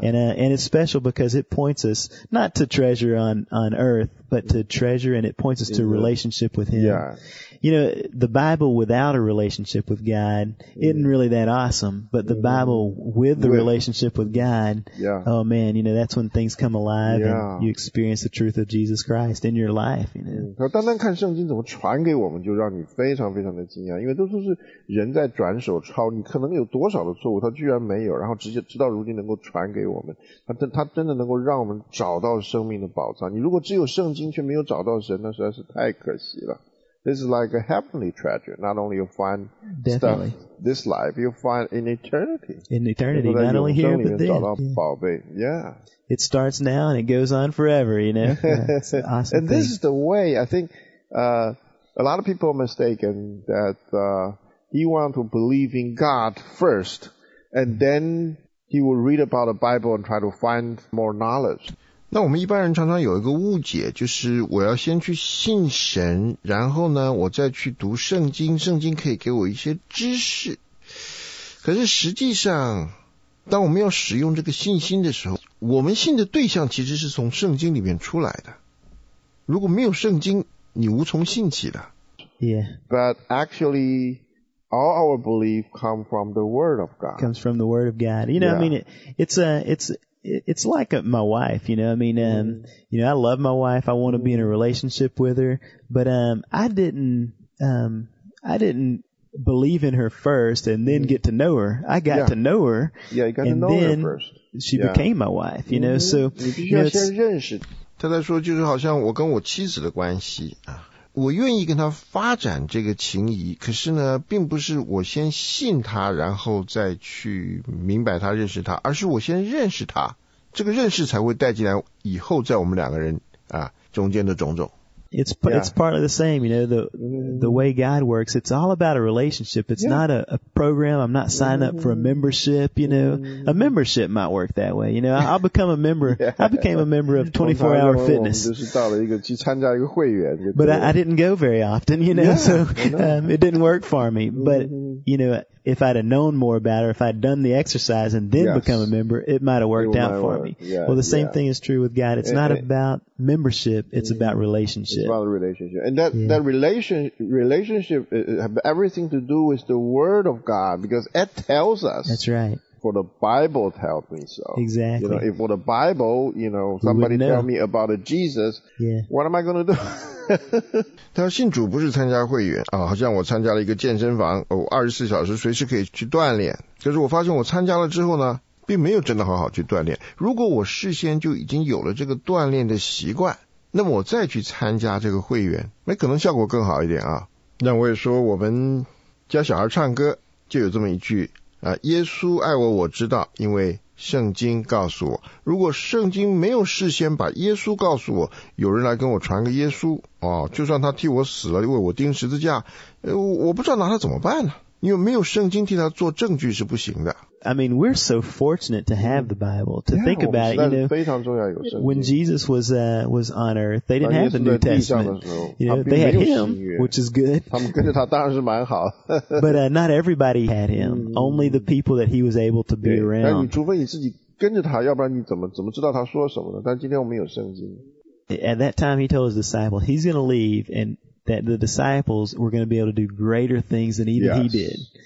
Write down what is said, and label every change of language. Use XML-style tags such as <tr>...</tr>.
<en>And it's special because it points us not to treasure on earth, but to treasure, and it points us to a relationship with Him. Yeah. You know, the Bible without a relationship with God isn't really that awesome, but the Bible with the relationship with God, oh man, you know, that's when things come alive and you experience the truth of Jesus Christ in your life. You know?</en> <zh>单单看圣经怎么传给我们, 就让你非常非常的惊讶, 因为都是人在转手抄, 你可能有多少的错误, 他居然没有, 然后直接直到如今能够传给我们, 他真的能够让我们找到生命的宝藏, 你如果只有圣经, 却没有找到神, 那实在是太可惜了。</zh> <en>This is like a heavenly treasure. Not only you find stuff this life, you find in eternity. In eternity, not only here, but then. It starts now and it goes on forever, you know? It's an awesome and thing. This is the way, I think, a lot of people are mistaken that he wants to believe in God first, and then he will read about the Bible and try to find more knowledge.</en> <zh>那我们一般人常常有一个误解, 就是我要先去信神, 然后呢, 我再去读圣经, 圣经可以给我一些知识。可是实际上, 当我们要使用这个信心的时候, 我们信的对象其实是从圣经里面出来的。如果没有圣经, 你无从信起的。</zh> <en>Yeah. But actually, all our belief comes from the Word of God. Comes from the Word of God. You know, I mean, it's like my wife, you know, I mean, you know, I love my wife. I want to be in a relationship with her, but, I didn't believe in her first and then get to know her. I got to know her. Yeah, you got and to know then her first. She became my wife, you know, so. You know,</en> <zh>他在说就是好像我跟我妻子的关系, 我愿意跟他发展这个情谊, 可是呢, 并不是我先信他, 然后再去明白他认识他, 而是我先认识他, 这个认识才会带进来以后在我们两个人, 啊, 中间的种种。</zh> <en>It's partly the same, you know, the way God works. It's all about a relationship. It's not a program. I'm not signing up for a membership, you know. A membership might work that way, you know. I'll become a member. I became a member of 24-hour fitness. But I didn't go very often, you know, so it didn't work for me. But, you know, if I'd have known more about her, if I'd done the exercise and then become a member, it might have worked out for me. Yeah, well, the same thing is true with God. It's not about membership. It's about relationship. It's about the relationship. And that relationship have everything to do with the Word of God, because it tells us. That's right. For the Bible tells me so. Exactly. You know, if for the Bible, you know, somebody tell me about a Jesus, what am I going to do?</en> <zh>他信主不是参加会员, 啊, 好像我参加了一个健身房, 哦, 24小时, 随时可以去锻炼, 可是我发现我参加了之后呢, 并没有真的好好去锻炼。如果我事先就已经有了这个锻炼的习惯, 那么我再去参加这个会员, 可能效果更好一点啊。那我也说我们教小孩唱歌, 就有这么一句, 啊, 耶稣爱我, 我知道, 因为圣经告诉我。如果圣经没有事先把耶稣告诉我, 有人来跟我传个耶稣, 哦, 就算他替我死了, 为我钉十字架, 我不知道拿他怎么办呢。因为没有圣经替他做证据是不行的。</zh> <en>I mean, we're so fortunate to have the Bible, to think about it, you know. When Jesus was on earth, they didn't have the New Testament. You know, they had him, which is good. But not everybody had him. Only the people that he was able to be around.</en> <zh>除非你自己跟着他, 要不然你怎么知道他说什么呢? 但今天我们有圣经。</zh> <en>At that time, he told his disciples, he's going to leave, and that the disciples were going to be able to do greater things than even he did.</en>